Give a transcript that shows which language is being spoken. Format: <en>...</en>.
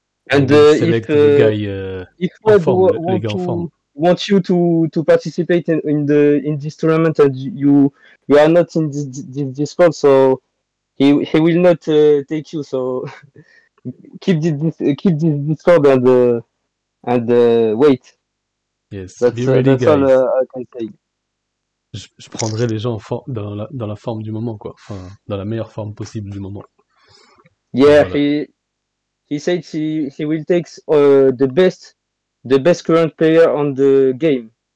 <en>And want you to participate in this tournament and you are not in this Discord, so he will not take you, so keep this Discord and wait. Yes, that's, be ready, that's guys. All I can say.</en> <fr>Je prendrai les gens dans la forme du moment, quoi. Enfin, dans la meilleure forme possible du moment.</fr> <en>Yeah, voilà. he said he will take the best current player on the game.</en>